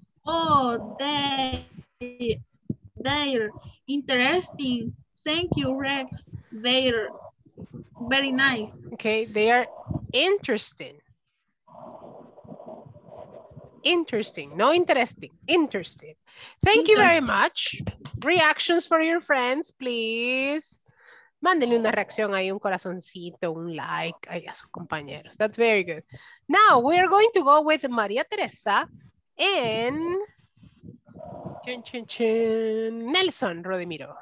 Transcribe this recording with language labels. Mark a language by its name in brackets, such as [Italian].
[English] Oh, they're interesting. Thank you, Rex. They're very nice. Okay, they are interesting. Interesting, no interesting, interesting. Thank you very much. reactions for your friends, please. [Spanish] Mándenle una reacción ahí, un corazoncito, un like ahí a sus compañeros. [English] That's very good. Now, we are going to go with María Teresa and Nelson Rodemiro.